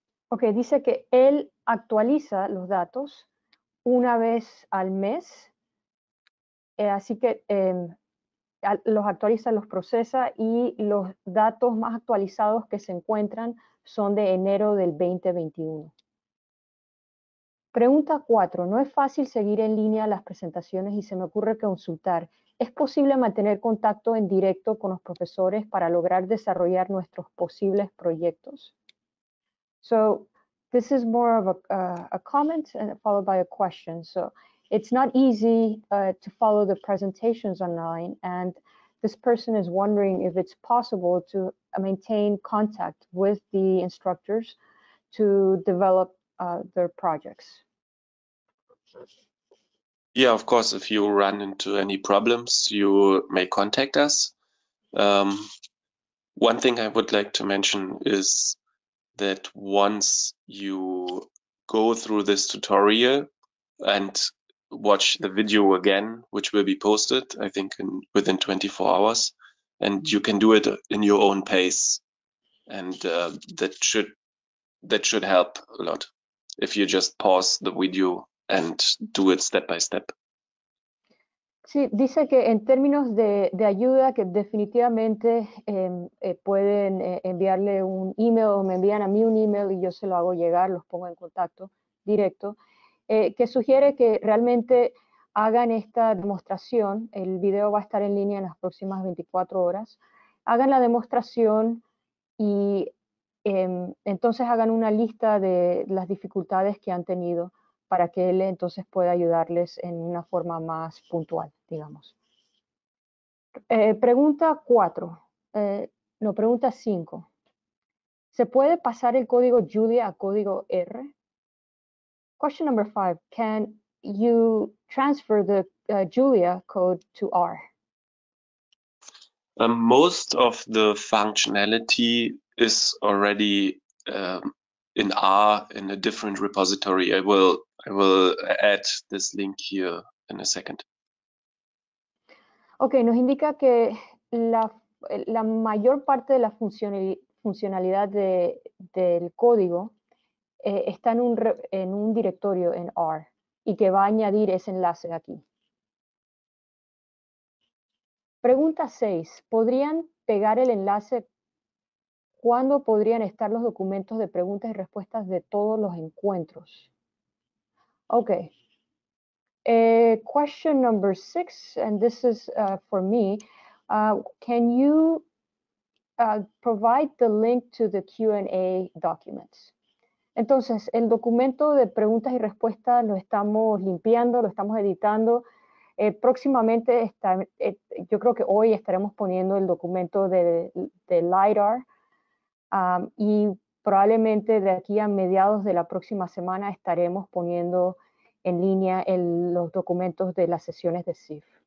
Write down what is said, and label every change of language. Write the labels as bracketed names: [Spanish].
[Spanish] Ok, dice que él actualiza los datos una vez al mes, así que los actualiza, los procesa y los datos más actualizados que se encuentran son de enero del 2021. Pregunta 4. No es fácil seguir en línea las presentaciones y se me ocurre consultar. ¿Es posible mantener contacto en directo con los profesores para lograr desarrollar nuestros posibles proyectos? [English] So, this is more of a comment followed by a question. So, it's not easy to follow the presentations online, and this person is wondering if it's possible to maintain contact with the instructors to develop their projects. Yeah, of course, if you run into any problems, you may contact us. One thing I would like to mention is that once you go through this tutorial and watch the video again, which will be posted, I think within 24 hours, and you can do it in your own pace, and that should help a lot if you just pause the video and do it step by step. [Spanish] Sí, dice que en términos de ayuda, que definitivamente pueden enviarle un email o me envían a mí un email y yo se lo hago llegar, los pongo en contacto directo, que sugiere que realmente hagan esta demostración. El video va a estar en línea en las próximas 24 horas. Hagan la demostración y entonces hagan una lista de las dificultades que han tenido, para que él entonces pueda ayudarles en una forma más puntual, digamos. Pregunta 4, no, pregunta 5. ¿Se puede pasar el código Julia a código R? [English] Question number 5. Can you transfer the Julia code to R? Most of the functionality is already in R in a different repository. I will add this link here in a second. [Spanish] Ok, nos indica que la mayor parte de la funcionalidad del código está en un directorio en R y que va a añadir ese enlace aquí. Pregunta 6. ¿Podrían pegar el enlace? ¿Cuándo podrían estar los documentos de preguntas y respuestas de todos los encuentros? [English] Ok. Question number 6, and this is for me. Can you provide the link to the Q&A documents? [Spanish] Entonces, el documento de preguntas y respuestas lo estamos limpiando, lo estamos editando. Próximamente, yo creo que hoy estaremos poniendo el documento de LiDAR, y probablemente de aquí a mediados de la próxima semana estaremos poniendo en línea los documentos de las sesiones de CIF.